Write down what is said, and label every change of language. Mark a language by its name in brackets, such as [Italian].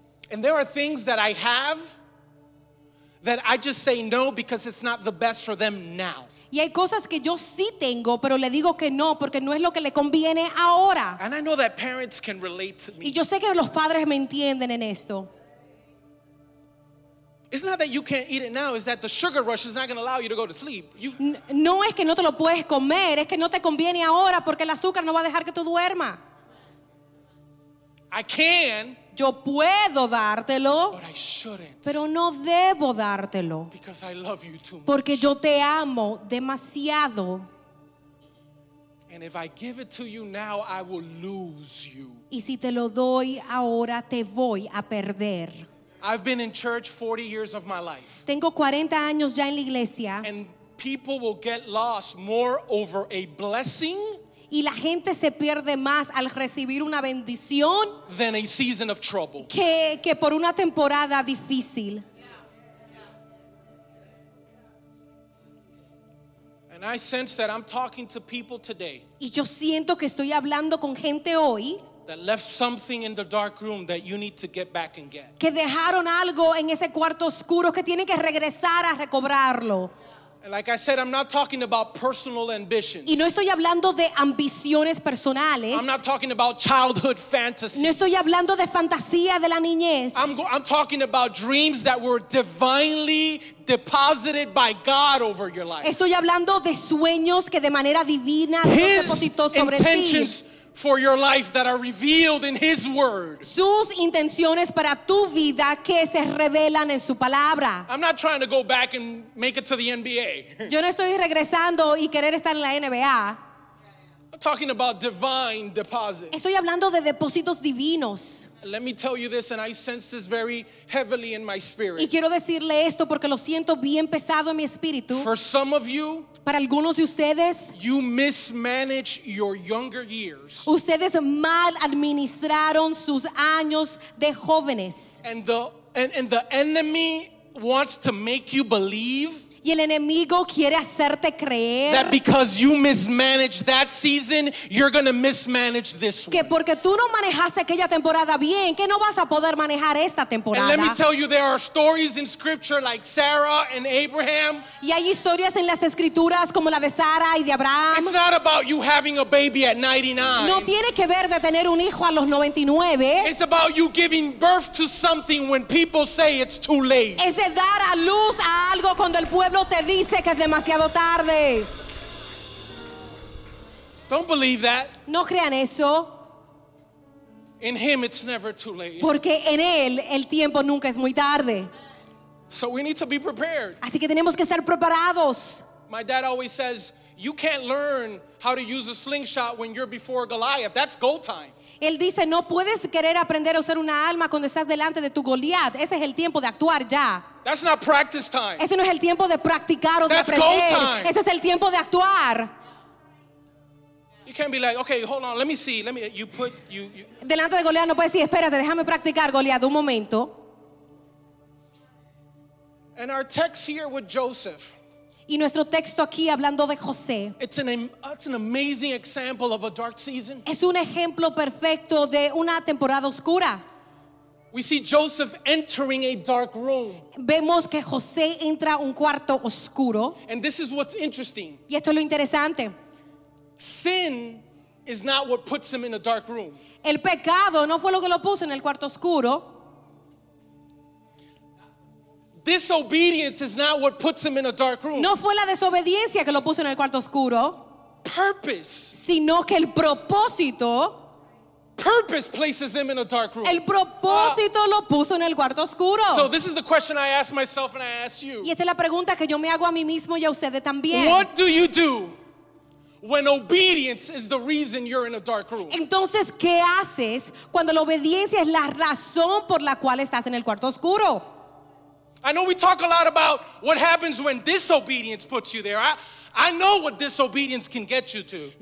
[English] And there are things that I have that I just say no because it's not the best for them now. [Spanish] Y hay cosas que yo sí tengo, pero le digo que no porque no es lo que le conviene ahora. [English] And I know that parents can relate to me. [Spanish] Y yo sé que los padres me entienden en esto. [English] It's not that you can't eat it now, it's that the sugar rush is not going to allow you to go to sleep. You... [Spanish] No es que no te lo puedes comer, es que no te conviene ahora porque el azúcar no va a dejar que tú duerma. [English] I can. [Spanish] Yo puedo dártelo. [English] But I shouldn't. [Spanish] Pero no debo dártelo. [English] Because I love you too much. [Spanish] Porque yo te amo demasiado. [English] And if I give it to you now, I will lose you. [Spanish] Y si te lo doy ahora, te voy a perder. [English] I've been in church 40 years of my life. [Spanish] Tengo 40 años ya en la iglesia. [English] And people will get lost more over a blessing. [Spanish] Y la gente se pierde más al recibir una bendición. [English] Than a season of trouble. [Spanish] Que por una temporada difícil. [English] And I sense that I'm talking to people today. [Spanish] Y yo siento que estoy hablando con gente hoy. [English] That left something in the dark room that you need to get back and get. [Spanish] Que dejaron algo en ese cuarto oscuro que tienen que regresar a recobrarlo. [English] And like I said, I'm not talking about personal ambitions. [Spanish] Y no estoy hablando de ambiciones personales. [English] I'm not talking about childhood fantasies. [Spanish] No estoy hablando de fantasía de la niñez. [English] I'm talking about dreams that were divinely deposited by God over your life. [Spanish] Estoy hablando de sueños que de manera divina Dios depositó sobre ti. [English] His intentions for your life that are revealed in his word. [Spanish] Sus intenciones para tu vida que se revelan en su palabra. [English] I'm not trying to go back and make it to the NBA. [Spanish] Yo no estoy regresando y querer estar en la NBA. [English] I'm talking about divine deposits. [Spanish] Estoy hablando de depósitos divinos. [English] Let me tell you this, and I sense this very heavily in my spirit. [Spanish] Y quiero decirle esto porque lo siento bien pesado en mi espíritu. [English] For some of you, [Spanish] para algunos de ustedes, [English] you mismanage your younger years. [Spanish] Ustedes mal administraron sus años de jóvenes. [English] And the enemy wants to make you believe. [Spanish] Y el enemigo quiere hacerte creer [English] that because you mismanaged that season, you're going to mismanage this one. [Spanish] Que porque tú no manejaste aquella temporada bien, que no vas a poder manejar esta temporada. [English] And let me tell you, there are stories in scripture like Sarah and Abraham. [Spanish] Y hay historias en las escrituras como la de Sara y de Abraham. [English] It's not about you having a baby at 99. [Spanish] No tiene que ver de tener un hijo a los 99. [English] It's about you giving birth to something when people say it's too late. [Spanish] Es de dar a luz a algo cuando el pueblo te dice que es demasiado tarde. [English] Don't believe that. [Spanish] No crean eso. [English] In him it's never too late. [Spanish] Porque en él el tiempo nunca es muy tarde. [English] So we need to be prepared. [Spanish] Así que tenemos que estar preparados. [English] My dad always says, you can't learn how to use a slingshot when you're before Goliath. That's go time. [Spanish] Él dice, no puedes querer aprender a usar una arma cuando estás delante de tu Goliat. Ese es el tiempo de actuar ya. [English] That's not practice time. [Spanish] Ese no es el tiempo de practicar o [English] That's [Spanish] de aprender. [English] Go time. [Spanish] Ese es el tiempo de actuar. [English] You can't be like, okay, hold on, let me see. [Spanish] Delante de Goliat no puedes decir, espérate, déjame practicar, Goliat, un momento. [English] And our text here with Joseph. [Spanish] Y nuestro texto aquí hablando de José. [English] It's an amazing example of a dark season. [Spanish] Es un ejemplo perfecto de una temporada oscura. [English] We see Joseph entering a dark room. [Spanish] Vemos que José entra un cuarto oscuro. [English] And this is what's interesting. [Spanish] Y esto es lo interesante. [English] Sin is not what puts him in a dark room. [Spanish] El pecado no fue lo que lo puso en el cuarto oscuro. [English] Disobedience is not what puts him in a dark room. [Spanish] No fue la desobediencia que lo puso en el cuarto oscuro. [English] Purpose. [Spanish] Sino que el propósito. [English] Purpose places him in a dark room. [Spanish] El propósito lo puso en el cuarto oscuro. [English] So this is the question I ask myself and I ask you. [Spanish] Y esta es la pregunta que yo me hago a mí mismo y a ustedes también. [English] What do you do when obedience is the reason you're in a dark room? [Spanish] Entonces, ¿qué haces cuando la obediencia es la razón por la cual estás en el cuarto oscuro? [English] I know we talk a lot about what happens when disobedience puts you there. I know what disobedience can get you to.